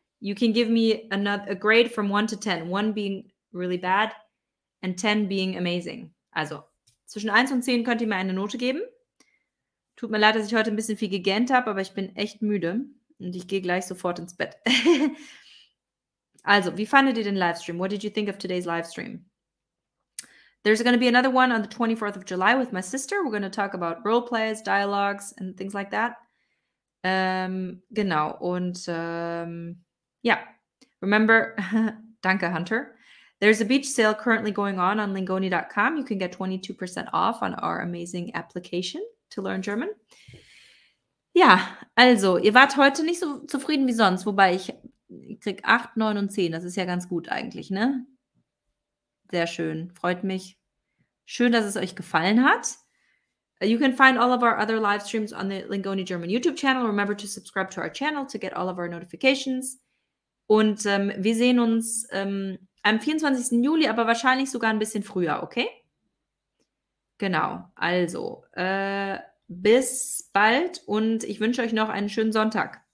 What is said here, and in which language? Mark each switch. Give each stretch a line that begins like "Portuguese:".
English: You can give me a grade from 1 to 10. 1 being really bad and 10 being amazing.
German: Also, zwischen 1 und 10 könnt ihr mir eine Note geben. Tut mir leid, dass ich heute ein bisschen viel gegähnt habe, aber ich bin echt müde und ich gehe gleich sofort ins Bett. Also, wie fandet ihr den Livestream?
English: What did you think of today's Livestream? There's going to be another one on the 24th of July with my sister. We're going to talk about roleplays, dialogues and things like that.
German: Genau. Und ja, remember, danke, Hunter.
English: There's a beach sale currently going on lingoni.com. You can get 22% off on our amazing application to learn German.
German: Ja, also, ihr wart heute nicht so zufrieden wie sonst, wobei ich krieg 8, 9 und 10. Das ist ja ganz gut eigentlich, ne? Sehr schön. Freut mich. Schön, dass es euch gefallen hat.
English: You can find all of our other live streams on the Lingoni German YouTube channel. Remember to subscribe to our channel to get all of our notifications.
German: Und wir sehen uns am 24. Juli, aber wahrscheinlich sogar ein bisschen früher, okay? Genau. Also, bis bald und ich wünsche euch noch einen schönen Sonntag.